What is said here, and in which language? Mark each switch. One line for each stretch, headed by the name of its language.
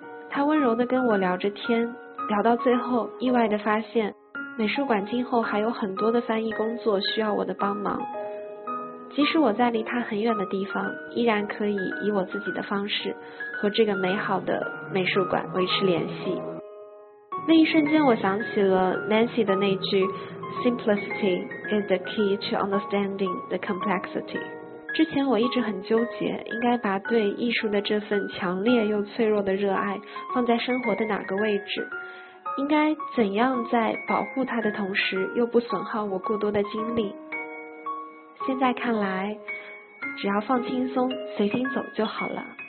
Chinese: 她温柔地跟我聊着天，聊到最后意外地发现美术馆今后还有很多的翻译工作需要我的帮忙，即使我在离他很远的地方，依然可以以我自己的方式和这个美好的美术馆维持联系。那一瞬间我想起了 Nancy 的那句
English: Simplicity is the key to understanding the complexity。
Chinese: 之前我一直很纠结，应该把对艺术的这份强烈又脆弱的热爱放在生活的哪个位置，应该怎样在保护它的同时又不损耗我过多的精力。现在看来，只要放轻松，随心走就好了。